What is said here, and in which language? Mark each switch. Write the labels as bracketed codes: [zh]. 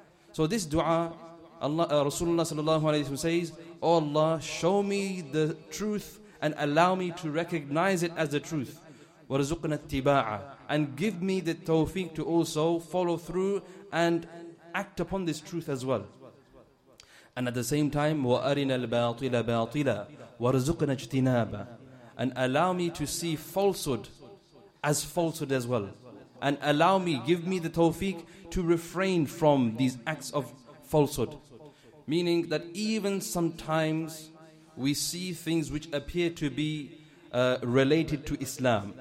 [en] So this dua, Rasulullah sallallahu alayhi wa sallam says, O Allah, show me the truth and allow me to recognize it as the truth. [ar] وَرَزُقْنَا اتِّبَاعًا. [en] And give me the tawfiq to also follow through and act upon this truth as well. And at the same time, [ar] وَأَرِنَا الْبَاطِلَ بَاطِلًا وَرَزُقْنَا اجْتِنَابًا. [en] And allow me to see falsehood as falsehood as well. And allow me, give me the tawfiq to refrain from these acts of falsehood. Meaning that even sometimes we see things which appear to be related to Islam.